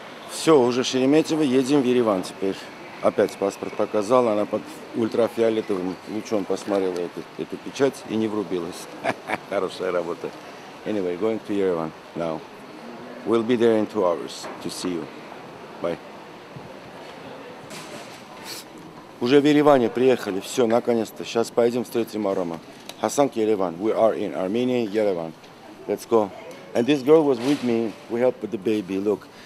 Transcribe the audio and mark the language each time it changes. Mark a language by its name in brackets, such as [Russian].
[Russian] Все, уже Шереметьево, едем в Ереван теперь. Опять паспорт показал, она под ультрафиолетовым лучом посмотрела эту печать и не врубилась. Хорошая работа. [English] Anyway, going to Yerevan now. We'll be there in 2 hours to see you. Bye. [Russian] Уже в Ереване приехали, все, наконец-то. Сейчас поедем встретим Арома. [English] Hasan Yerevan, we are in Armenia, Yerevan. Let's go. And this girl was with me, we helped with the baby, look.